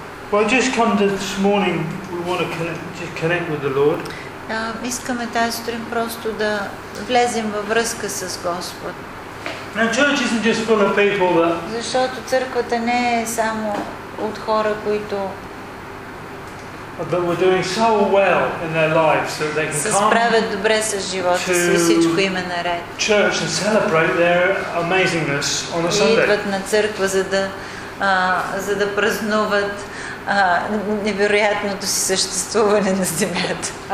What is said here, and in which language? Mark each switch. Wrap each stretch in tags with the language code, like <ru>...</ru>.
<en>Well, just come to this morning. We want to connect with the Lord.</en> <bg>Искаме тази сутрин просто да влезем във връзка с Господ.</bg> <en>Now, church isn't just full of people that.</en> <bg>Защото църквата не е само от хора, които.</bg> <en>But we're doing so well in their lives that they can come.</en> <bg>Се справят добре с живота си, всичко им е наред.</bg> <en>Church and celebrate their amazingness on a Sunday.</en> <bg>Идват на църква, за да празнуват невероятното си съществуване на земята.</bg>